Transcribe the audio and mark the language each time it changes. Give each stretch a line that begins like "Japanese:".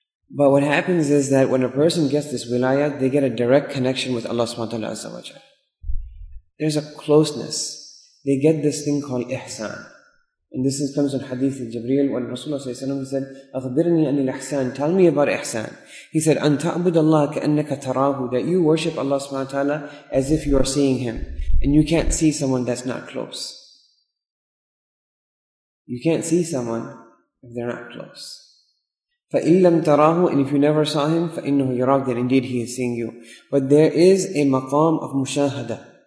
English: But what happens is that when a person gets this wilaya, they get a direct connection with Allah subhanahu wa ta'ala azza wa jalla. There's a closeness. They get this thing called ihsan. And this comes in hadith of Jibreel when Rasulullah said,
Arabic: أَخْبِرْنِي أَنِ الْإِحْسَانِ.
English: Tell me about ihsan. He said,
Arabic: أَن تَعْبُدَ اللَّهَ كَأَنَّكَ تَرَاهُ.
English: That you worship Allah subhanahu wa ta'ala as if you are seeing him. And you can't see someone that's not close. You can't see someone if they're not close.
Arabic: فَإِن لَمْ تَرَاهُ.
English: And if you never saw him,
Arabic: فَإِنَّهُ يَرَاكَ.
English: Then indeed he is seeing you. But there is a maqam of mushahada.